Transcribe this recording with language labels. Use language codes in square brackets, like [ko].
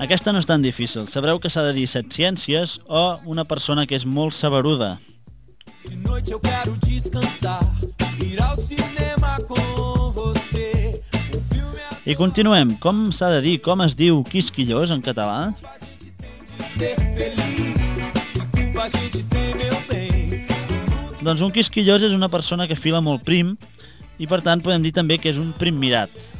[ca] Aquesta no és tan difícil. Sabreu que s'ha de dir setciències o una persona que és molt saberuda. [pt] De noite eu quero descansar, ir ao cinema com você. [ca] I continuem. Com s'ha de dir, com es diu quisquillós en català? Doncs un quisquillós és una persona que fila molt prim i per tant podem dir també que és un prim mirat.